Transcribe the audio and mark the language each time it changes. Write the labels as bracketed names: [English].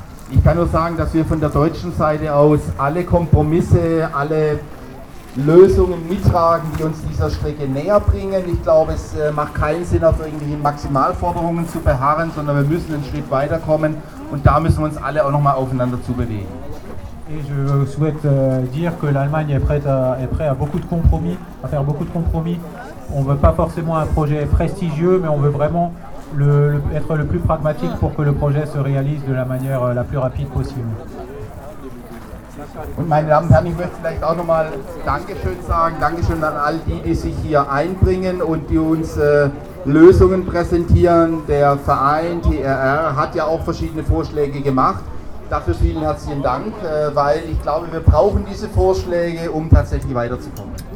[German] Ich kann nur sagen, dass wir von der deutschen Seite aus alle Kompromisse, alle Lösungen mittragen, die uns dieser Strecke näher bringen. Ich glaube, es macht keinen Sinn, auf irgendwelche Maximalforderungen zu beharren, sondern wir müssen einen Schritt weiterkommen und da müssen wir uns alle auch nochmal aufeinander zubewegen. [French] Et je souhaite dire que l'Allemagne est prête à beaucoup de compromis, à faire beaucoup de compromis. On ne veut pas forcément un projet prestigieux, mais on veut vraiment être le plus pragmatique pour que le projet se réalise de la manière la plus rapide possible. [German] Und meine Damen und Herren, ich möchte vielleicht auch nochmal Dankeschön sagen, Dankeschön an all die, die sich hier einbringen und die uns Lösungen präsentieren. Der Verein TRR hat ja auch verschiedene Vorschläge gemacht. dafür vielen herzlichen Dank, weil ich glaube, wir brauchen diese Vorschläge, um tatsächlich weiterzukommen.